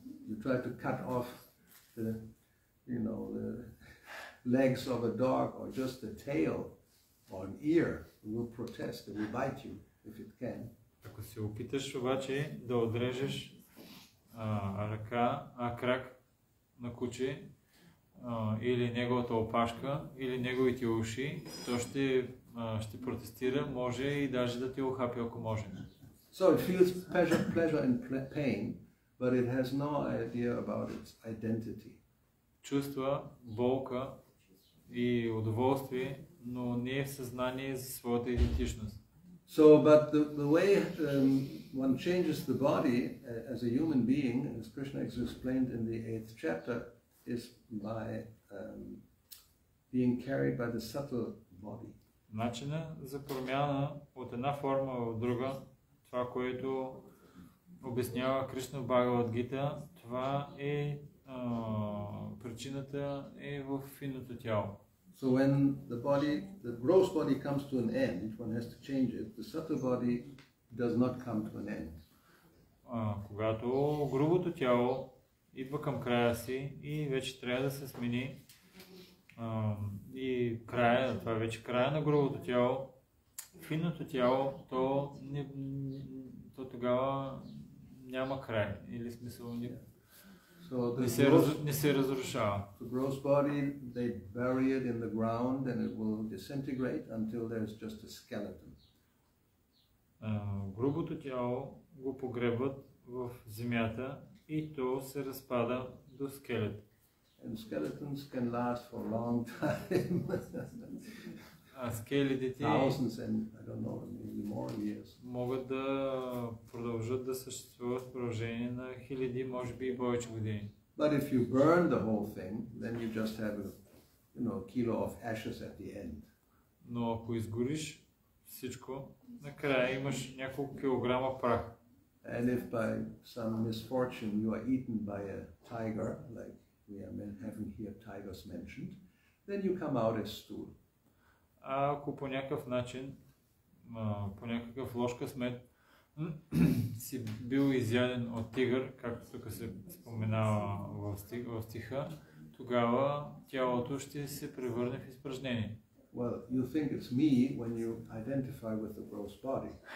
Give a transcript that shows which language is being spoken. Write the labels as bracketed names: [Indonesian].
[English] You try to cut off the, you know, the legs of a dog or just the tail or an ear. Will protest, it will bite you if it can. [Bulgarian] Ако се опиташ обаче да отрежеш ръка, крак на куче или неговата опашка или неговите уши, то ще протестира, може и даже да ти охапи, ако може. [English] So it feels pleasure and pain, but it has no idea about its identity. [Bulgarian] Чувства болка и удоволствие, но не е в съзнание за своята идентичност. [English] So, but the way one changes the body as a human being, as Krishna explained in the 8th chapter, is by being carried by the subtle body. [Bulgarian] Начина за промяна от една форма в друга, това, което обяснява Кришна Бхагавадгита, това е причината е в финното тяло. [English] So when the body, the gross body comes to an end, one has to change it, the subtle body does not come to an end. [Bulgarian] Когато грубото тяло идва към края си и вече трябва да се смени, и края, това е вече края на грубото тяло, финното тяло, то, не, то тогава няма край или смисъл. [English] So the [Bulgarian] не, се gross, не се разрушава. [English] The gross body, they bury it in the ground and it will disintegrate until there's just a skeleton. [Bulgarian] Грубото тяло го погребват в земята и то се разпада до скелет. [English] And skeletons can last for a long time. [Bulgarian] А скелетите [English] thousands and I don't know maybe more years. [Bulgarian] Могат да продължат да съществуват в продължение на хиляди, може би и повече години. [English] But if you burn the whole thing, then you just have a, you know, a kilo of ashes at the end. [Bulgarian] Но ако изгориш всичко, накрая имаш няколко килограма прах. [English] And if by some misfortune you are eaten by a tiger, like we are having here tigers mentioned, then you come out as stool. [Bulgarian] А ако по някакъв начин, по някакъв лош късмет си бил изяден от тигър, както тук се споменава в стиха, тогава тялото ще се превърне в изпражнение. [English] Well, you think it's me when you identify with the gross body.